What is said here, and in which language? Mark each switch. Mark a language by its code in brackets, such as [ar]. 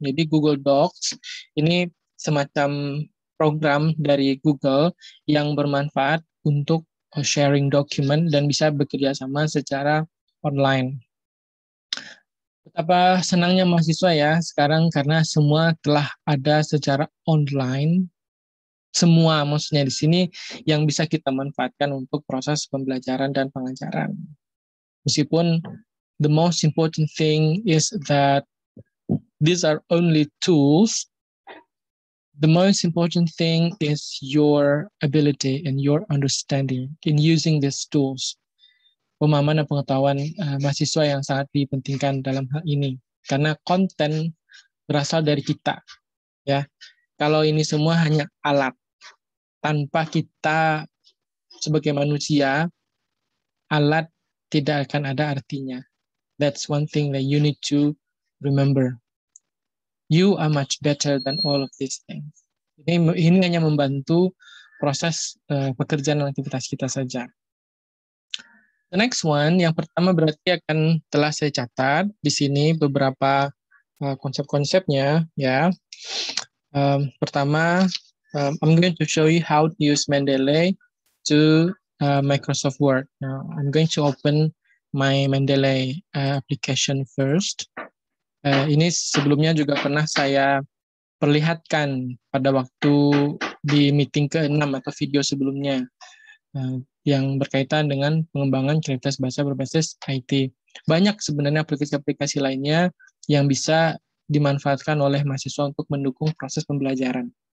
[id] Jadi Google Docs ini semacam program dari Google yang bermanfaat untuk sharing dokumen dan bisa bekerja sama secara online. Betapa senangnya mahasiswa ya sekarang karena semua telah ada secara online. Semua maksudnya di sini yang bisa kita manfaatkan untuk proses pembelajaran dan pengajaran. Meskipun [en] the most important thing is that these are only tools. The most important thing is your ability and your understanding in using these tools. [id] Pemahaman dan pengetahuan mahasiswa yang sangat dipentingkan dalam hal ini. Karena konten berasal dari kita. Ya. Kalau ini semua hanya alat, tanpa kita sebagai manusia, alat tidak akan ada artinya. [en] That's one thing that you need to remember. You are much better than all of these things. [id] Ini hanya membantu proses pekerjaan dan aktivitas kita saja. [en] The next one, [id] yang pertama berarti akan telah saya catat di sini beberapa konsep-konsepnya. Ya. Pertama, [en] I'm going to show you how to use Mendeley to Microsoft Word. Now, I'm going to open my Mendeley application first. [id] Ini sebelumnya juga pernah saya perlihatkan pada waktu di meeting ke-6 atau video sebelumnya yang berkaitan dengan pengembangan kreativitas bahasa berbasis IT. Banyak sebenarnya aplikasi-aplikasi lainnya yang bisa dimanfaatkan oleh mahasiswa untuk mendukung proses pembelajaran.